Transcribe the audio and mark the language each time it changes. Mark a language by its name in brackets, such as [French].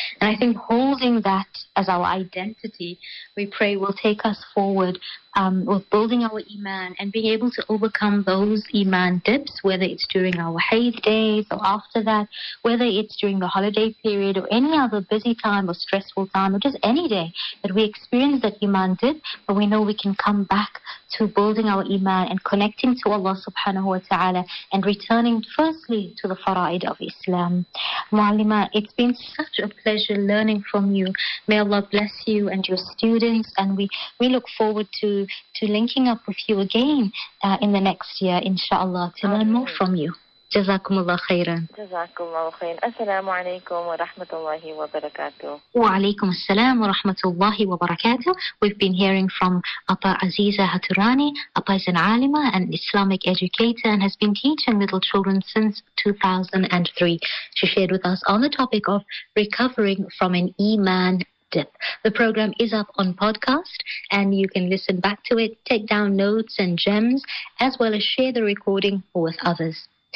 [English] And I think holding that as our identity, we pray, will take us forward with building our iman and being able to overcome those iman dips, whether it's during our haid days or after that, whether it's during the holiday period or any other busy time or stressful time or just any day that we experience that iman dip, but we know we can come back to building our iman and connecting to Allah subhanahu wa ta'ala and returning firstly to the fara'id of Islam. Mualima, it's been such a pleasure learning from you. May Allah bless you and your students, and we look forward to linking up with you again in the next year, inshallah, to learn more from you. [Arabic] جزاكم الله خيرا. جزاكم الله خيرا. السلام عليكم ورحمة الله وبركاته. وعليكم السلام ورحمة الله وبركاته. [English] We've been hearing from Apa Aziza Haturani. Apa is an alima, an Islamic educator, and has been teaching little children since 2003. She shared with us on the topic of recovering from an iman dip. The program is up on podcast and you can listen back to it, take down notes and gems, as well as share the recording with others.